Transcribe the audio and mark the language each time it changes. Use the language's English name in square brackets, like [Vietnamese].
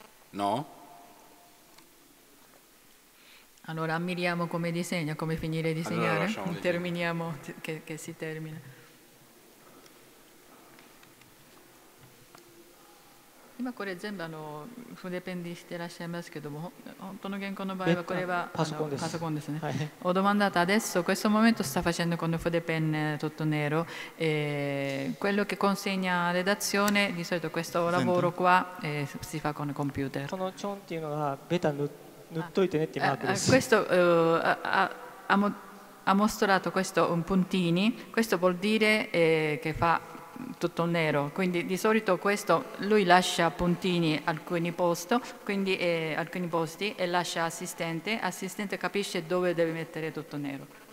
[Italian] No? Allora ammiriamo come disegna, come finire di disegnare. Allora, terminiamo che si termina. [Japanese] 今これ全部あの筆ペンでしてらっしゃいますけども、本当の原稿の場合はこれはパソコンです。パソコンですね。はい。 [Italian] Ho domandato adesso, questo momento sta facendo con un fudepen tutto nero, e quello che consegna a redazione, di solito questo lavoro qua si fa con computer. [Japanese] このチョンっていうのはベタ塗っといてねっていうマークです。 [Italian] Questo ha mostrato questo un puntini, questo vuol dire che fa tutto nero, quindi di solito questo lui lascia puntini alcuni posti, quindi alcuni posti e lascia assistente capisce dove deve mettere tutto nero.